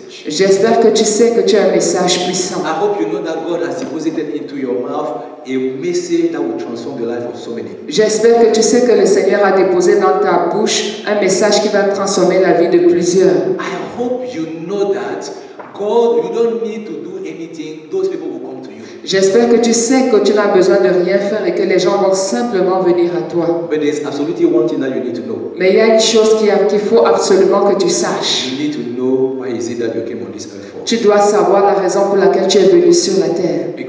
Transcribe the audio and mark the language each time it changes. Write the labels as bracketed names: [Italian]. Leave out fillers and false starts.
[French] J'espère que tu sais que tu as un message puissant. [English] I hope you know that God has deposited into your mouth a message that will transform the life of so many. [French] J'espère que tu sais que le Seigneur a déposé dans ta bouche un message qui va transformer la vie de plusieurs. [English] I hope you know that God, you don't need to do anything. Those people will come to you. [French] J'espère que tu sais que tu n'as besoin de rien faire et que les gens vont simplement venir à toi. [English] But there's absolutely one thing that you need to know. [French] Mais il y a une chose qu'il faut absolument que tu saches. [English] You need to know why is it that you came on this earth. [French] Tu dois savoir la raison pour laquelle tu es venu sur la terre.